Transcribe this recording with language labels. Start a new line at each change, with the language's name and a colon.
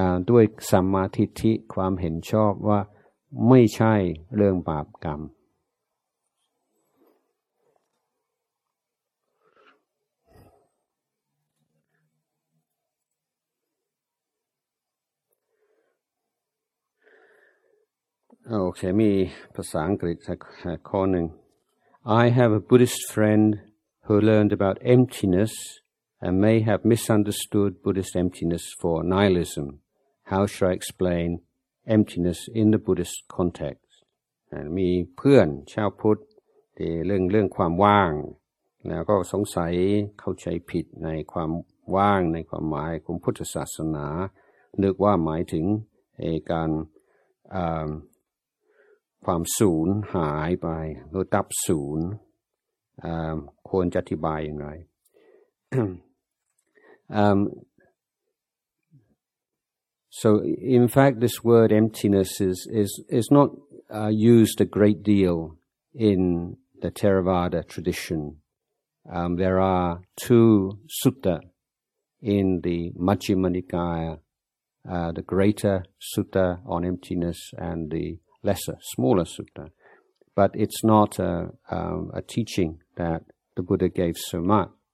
Thai: ด้วยสัมมาทิฏฐิความเห็นชอบว่าไม่ใช่เรื่องบาปกรรมโอเคมีภาษาอังกฤษสักข้อหนึ่ง
English: I have a Buddhist friend who learned about emptiness and may have misunderstood Buddhist emptiness for nihilism. How should I explain emptiness in the Buddhist context?
Thai: มีเพื่อนชาวพุทธที่เรื่องความว่างแล้วก็สงสัยเข้าใจผิดในความว่างในความหมายของพุทธศาสนานึกว่าหมายถึง การความสูญหายไปหรือดับสูญควรจะอธิบายอย่างไร
English: So in fact this word emptiness is not used a great deal in the Theravada tradition. There are two sutta in the Majjhima Nikaya, the greater sutta on emptiness and the lesser, smaller sutta. But it's not a teaching that the Buddha gave so much.